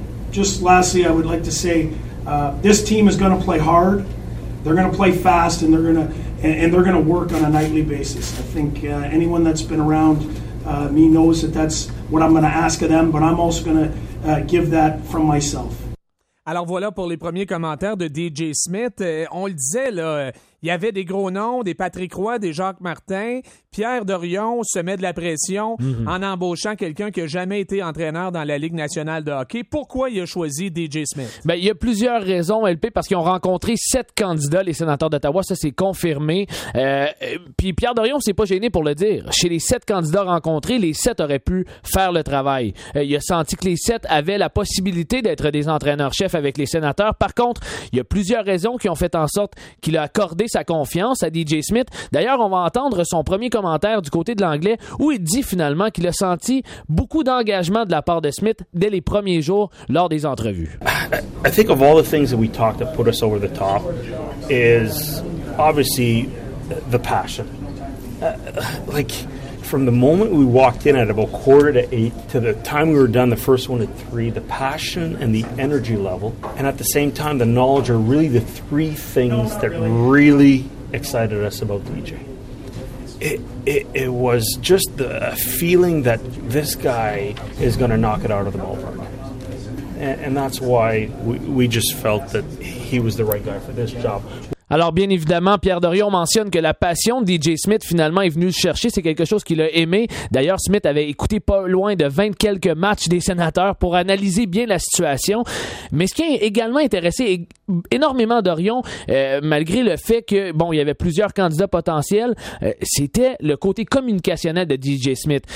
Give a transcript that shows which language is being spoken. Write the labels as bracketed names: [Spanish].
[English] Just lastly, I would like to say this team is going to play hard. They're going to play fast, and they're going to work on a nightly basis. I think anyone that's been around me knows that that's what I'm going to ask of them, but I'm also going to give that from myself. [French] Alors voilà pour les premiers commentaires de DJ Smith. On le disait, là, il y avait des gros noms, des Patrick Roy, des Jacques Martin. Pierre Dorion se met de la pression en embauchant quelqu'un qui n'a jamais été entraîneur dans la Ligue nationale de hockey. Pourquoi il a choisi DJ Smith? Ben, il y a plusieurs raisons, LP, parce qu'ils ont rencontré 7 candidats, les sénateurs d'Ottawa. Ça, c'est confirmé. Puis Pierre Dorion ne s'est pas gêné pour le dire. Chez les 7 candidats rencontrés, les 7 auraient pu faire le travail. Il a senti que les 7 avaient la possibilité d'être des entraîneurs-chefs avec les sénateurs. Par contre, il y a plusieurs raisons qui ont fait en sorte qu'il a accordé sa confiance à DJ Smith. D'ailleurs, on va entendre son premier commentaire du côté de l'anglais, où il dit finalement qu'il a senti beaucoup d'engagement de la part de Smith dès les premiers jours lors des entrevues. [English] I think of all the things that we talked that put us over the top is obviously the passion. Like, from the moment we walked in at about 7:45 to the time we were done the first one at 3, the passion and the energy level, and at the same time the knowledge are really the 3 things that really excited us about DJ. It was just the feeling that this guy is going to knock it out of the ballpark. And that's why we just felt that he was the right guy for this job. [French] Alors, bien évidemment, Pierre Dorion mentionne que la passion de DJ Smith, finalement, est venue le chercher. C'est quelque chose qu'il a aimé. D'ailleurs, Smith avait écouté pas loin de 20-quelques matchs des sénateurs pour analyser bien la situation. Mais ce qui a également intéressé énormément Dorion, malgré le fait que bon, il y avait plusieurs candidats potentiels, c'était le côté communicationnel de DJ Smith.